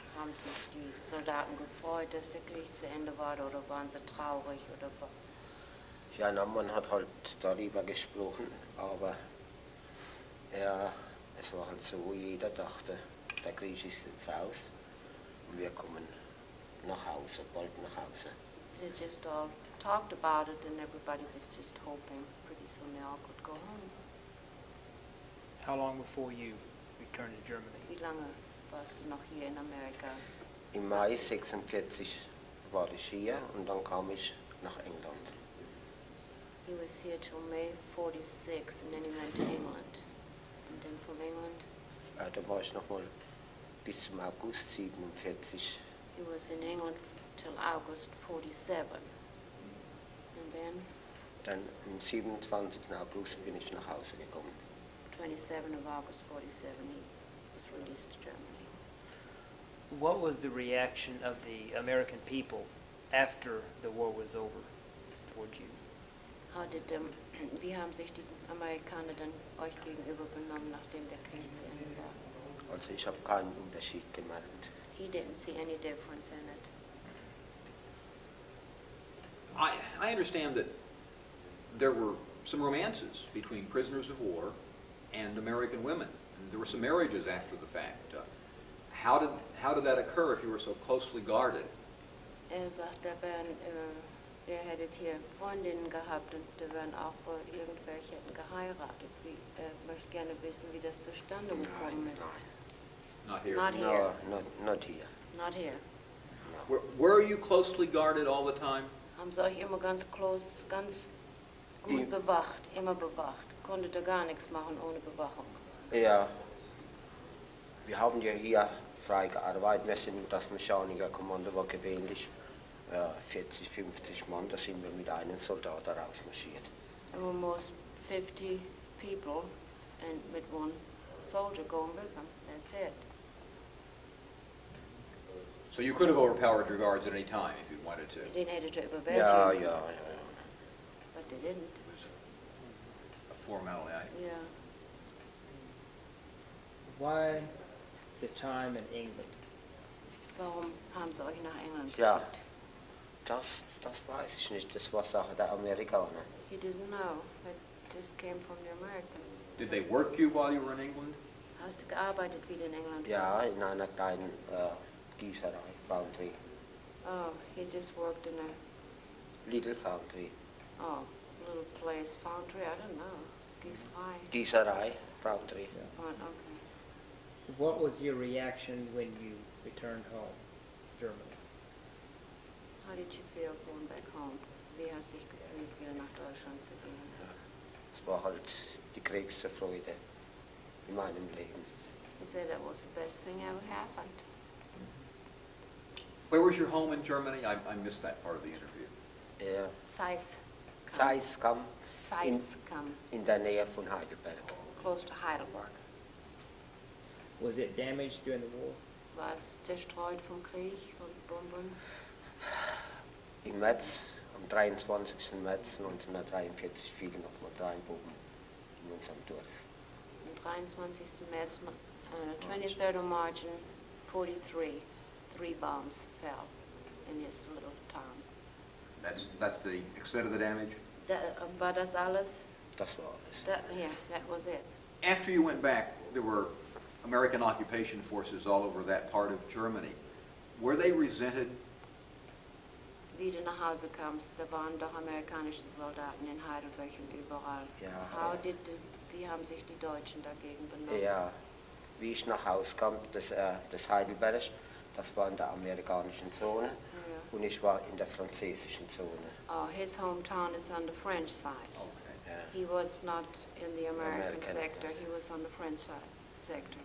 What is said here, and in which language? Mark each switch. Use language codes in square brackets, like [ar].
[de] Haben sich die Soldaten gefreut, dass der Krieg zu Ende war, oder waren sie traurig? Oder ja, na, man hat halt darüber gesprochen, aber ja, es war halt so, jeder dachte, der Krieg ist jetzt aus und wir kommen nach Hause, bald nach Hause. [en] They just all talked about it, and everybody was just hoping pretty soon they all could go home. How long before you returned to Germany? [de] Wie lange warst du noch hier in Amerika? Im Mai 46 war ich hier und dann kam ich nach England. [en] He was here till May 46 and then he went to England. And then from England? [de] Da war ich noch mal bis zum August 47. [en] He was in England till August 47. And then? [de] Dann am 27. August bin ich nach Hause gekommen. [en] 27 of August 47 he was released to Germany. What was the reaction of the American people after the war was over towards you? How did [de] wie haben sich die Amerikaner dann euch gegenüber benommen, nachdem der Krieg zu Ende war? Also ich habe keinen Unterschied gemerkt. [en] He didn't see any difference in it. I understand that there were some romances between prisoners of war and American women. And there were some marriages after the fact. How did that occur if you were so closely guarded? [de] Er sagte, ihr hättet hier Freundinnen gehabt und da wären auch irgendwelche hätten geheiratet. Ich möchte gerne wissen, wie das zustande gekommen ist. [en] Not here. Not here. Not here. Where are you closely guarded all the time? [de] Haben sie euch immer ganz close, ganz gut bewacht, immer bewacht. Konntet ihr gar nichts machen ohne Bewachung. Ja. Wir haben ja hier frei gearbeitet. Wir sind das Mechaniker-Kommando, war gewöhnlich. 40, 50 Mann, da sind wir mit einem Soldat rausmarschiert. [en] Almost 50 people and with one soldier going with them, that's it. So you could have overpowered your guards at any time if you wanted to. You didn't have to overpower them. Yeah. But they didn't. It was a formality. Yeah. Why the time in England? [de] Warum haben sie euch nach England geschickt? [en] Yeah. [de] Das weiß ich nicht. Das war Sache der Amerikaner. [en] He didn't know. It just came from the American. Did they work you while you were in England? [de] Hast du gearbeitet wieder in England? Ja, in einer kleinen Gießerei, Foundry. [en] Oh, he just worked in a... Little Foundry. Oh, little place, Foundry, I don't know. Gießerei. [de] Gießerei, Foundry. [en] Yeah. Oh, okay. What was your reaction when you returned home, Germany? How did you feel going back home? [de] Wie hast du dich gefühlt, wieder nach Deutschland zu gehen? Es war halt die größte Freude in meinem Leben. [en] He said that was the best thing ever happened. Where was your home in Germany? I missed that part of the interview. [de] Zeiskam. Zeiskam. Zeiskam. In der Nähe von Heidelberg. [en] Close to Heidelberg. Was it damaged during the war? [de] War es zerstreut vom Krieg und Bomben? Im März, am 23. März 1943, fielen nochmal drei Bomben in unserem Dorf. Am 23. [en] März, 23rd of March, 43 bombs fell in this little town. That's the extent of the damage? [de] War das alles? Das war alles. [en] That was it. After you went back, there were American occupation forces all over that part of Germany. Were they resented? [de] Wieder nach Hause kamst, da waren doch amerikanische Soldaten in Heidelberg und überall. [en] Yeah. [de] Wie haben sich die Deutschen dagegen benommen? Ja, wie ich nach Hause kam, das Heidelberg, das war in der amerikanischen Zone und ich war in der französischen Zone. [en] Oh, his hometown is on the French side. Okay. Yeah. He was not in the American sector, he was on the French side sector.